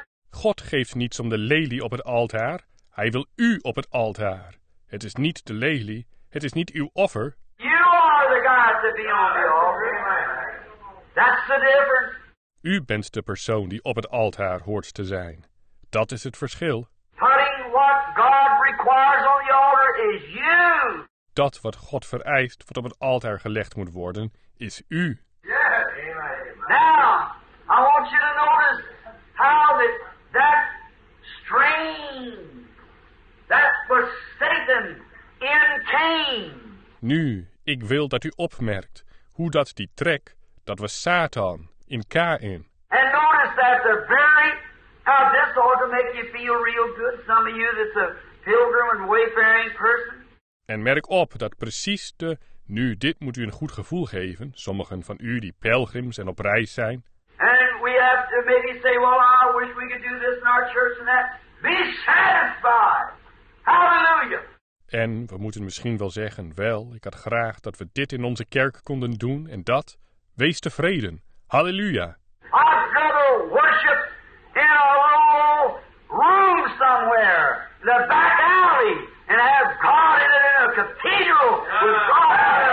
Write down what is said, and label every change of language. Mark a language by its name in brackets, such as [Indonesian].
[Dutch] God geeft niets om de lelie op het altaar. Hij wil u op het altaar. Het is niet de lelie. Het is niet uw offer. [English] You are the God to be on the altar. That's the difference. [Dutch] U bent de persoon die op het altaar hoort te zijn. Dat is het verschil. [English] Putting what God requires. requires on the altar is you. [Dutch] Dat wat God vereist, wat op het altaar gelegd moet worden, is u. [English] Yes. Now, I want you to notice how that strain that was Satan in Cain. [Dutch] Nu, ik wil dat u opmerkt hoe dat die trek, dat was Satan in Cain. [English] And notice that the very, how this ought to make you feel real good, some of you that's a pilgrim and wayfaring person. [Dutch] En merk op dat precies de, nu dit moet u een goed gevoel geven, sommigen van u die pelgrims en op reis zijn. [English] And we have to maybe say, well, I wish we could do this in our church and that. Be satisfied. Hallelujah. [Dutch] En we moeten misschien wel zeggen, wel, ik had graag dat we dit in onze kerk konden doen en dat. Wees tevreden. Halleluja. [English] I've got to worship in a little room somewhere. In the back alley. And have God in it in a cathedral with God.